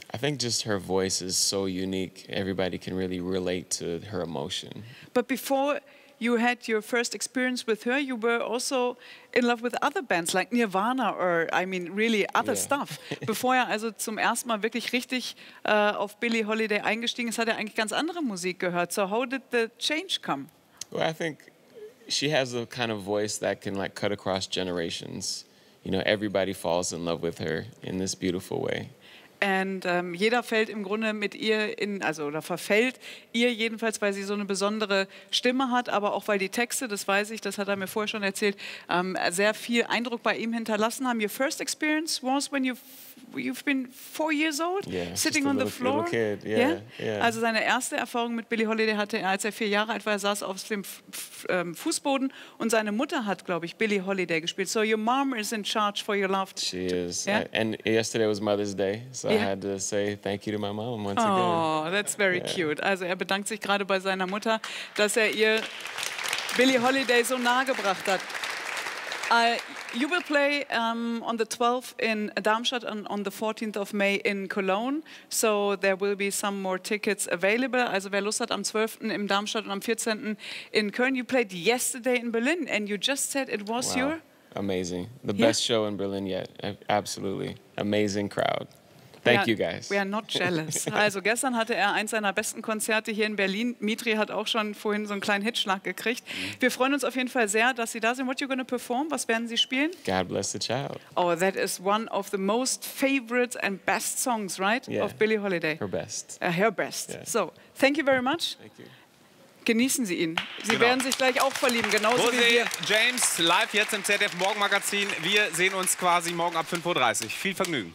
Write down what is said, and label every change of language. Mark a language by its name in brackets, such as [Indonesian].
[English] I think just her voice is so unique. Everybody can really relate to her emotion. But before you had your first experience with her, you were also in love with other bands like Nirvana or, I mean, really other stuff. [German] Bevor er also zum ersten Mal wirklich richtig auf Billie Holiday eingestiegen ist, hat er eigentlich ganz andere Musik gehört. [English] So how did the change come? Well, I think she has a kind of voice that can like cut across generations. You know, everybody falls in love with her in this beautiful way. [German] And jeder fällt im Grunde mit ihr in, also oder verfällt ihr jedenfalls, weil sie so eine besondere Stimme hat, aber auch weil die Texte, das weiß ich, das hat er mir vorher schon erzählt, sehr viel Eindruck bei ihm hinterlassen haben. [English] Your first experience was when you've been 4 years old, sitting on the floor. Yeah. [German] Also seine erste Erfahrung mit Billie Holiday hatte er, als er 4 Jahre alt war. Er saß auf dem Fußboden und seine Mutter hat, glaube ich, Billie Holiday gespielt. [English] So your mom is in charge for your love. She is. Yeah? And yesterday was Mother's Day, so I had to say thank you to my mom once again. Oh, that's very cute. [German] Also er bedankt sich gerade bei seiner Mutter, dass er ihr Billie Holiday so nahe gebracht hat. [English] You will play on the 12th in Darmstadt and on the 14th of May in Cologne. So there will be some more tickets available. [German] Also wer Lust hat, am 12. in Darmstadt und am 14. in Köln. [English] You played yesterday in Berlin and you just said it was your... Amazing. The best show in Berlin yet. Absolutely. Amazing crowd. Thank you guys. We are not jealous. [German] Also gestern hatte er eins seiner besten Konzerte hier in Berlin. Mitri hat auch schon vorhin so einen kleinen Hitschlag gekriegt. Wir freuen uns auf jeden Fall sehr, dass Sie da sind. [English] What are you going to perform? [German] Was werden Sie spielen? [English] God Bless the Child. Oh, that is one of the most favorite and best songs, right? Yeah. Of Billie Holiday. Her best. Her best. Yeah. So, thank you very much. Thank you. [German] Genießen Sie ihn. Sie werden sich gleich auch verlieben, genauso José wie wir. James, live jetzt im ZDF Morgenmagazin. Wir sehen uns quasi morgen ab 5.30 Uhr. Viel Vergnügen.